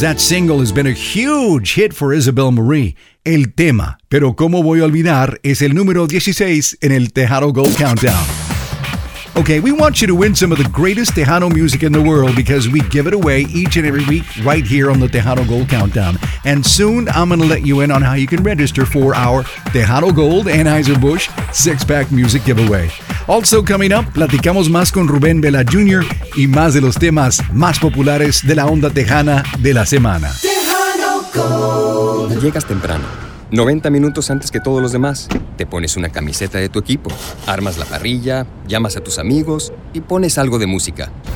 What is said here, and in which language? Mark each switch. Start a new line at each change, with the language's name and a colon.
English: That single has been a huge hit for Isabel Marie.
Spanish: El tema, pero cómo voy a olvidar, es el número 16 en el Tejano Gold Countdown.
English: Okay, we want you to win some of the greatest Tejano music in the world because we give it away each and every week right here on the Tejano Gold Countdown. And soon, I'm going to let you in on how you can register for our Tejano Gold Anheuser-Busch six-pack music giveaway. Also coming up,
Spanish: platicamos más con Rubén Vela Jr. y más de los temas más populares de la onda tejana de la semana.
English: Tejano Gold.
Spanish: Llegas temprano, 90 minutos antes que todos los demás. Te pones una camiseta de tu equipo, armas la parrilla, llamas a tus amigos y pones algo de música.